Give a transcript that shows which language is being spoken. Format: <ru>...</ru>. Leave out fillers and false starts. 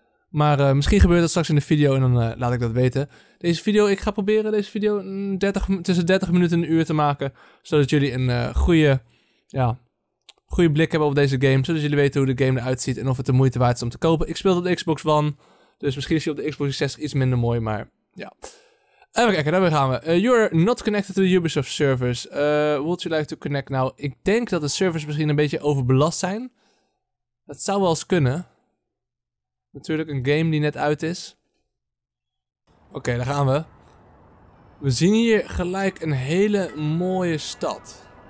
<nl>Maar misschien gebeurt dat straks in de video en dan laat ik dat weten. Deze video, ik ga proberen deze video tussen 30 minuten en een uur te maken. Zodat jullie een goede blik hebben op deze game. Zodat jullie weten hoe de game eruit ziet en of het de moeite waard is om te kopen. Ik speel op de Xbox One, dus misschien is hij op de Xbox 360 iets minder mooi, maar ja. Even kijken, daar gaan we.</nl> <en>You're not connected to the Ubisoft servers. Would you like to connect?</en> <nl>Nou, ik denk dat de servers misschien een beetje overbelast zijn. Dat zou wel eens kunnen. Natuurlijk, een game die net uit is. Oké, daar gaan we. We zien hier gelijk een hele mooie stad.</nl>